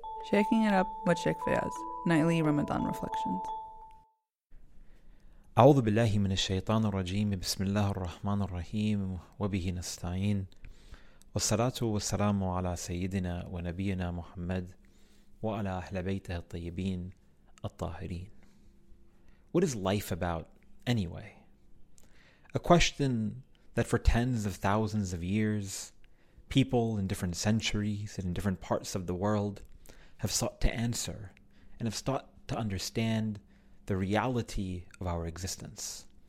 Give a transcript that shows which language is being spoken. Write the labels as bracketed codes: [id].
[en] Shaking it up with Sheikh Fayaz, Nightly Ramadan Reflections. [ar] أعوذ بالله من الشيطان الرجيم بسم الله الرحمن الرحيم وبه نستعين والصلاة والسلام على سيدنا ونبينا محمد وعلى أهل بيته الطيبين الطاهرين. [en] What is life about anyway? A question that for tens of thousands of years, people in different centuries and in different parts of the world have sought to answer and have sought to understand the reality of our existence.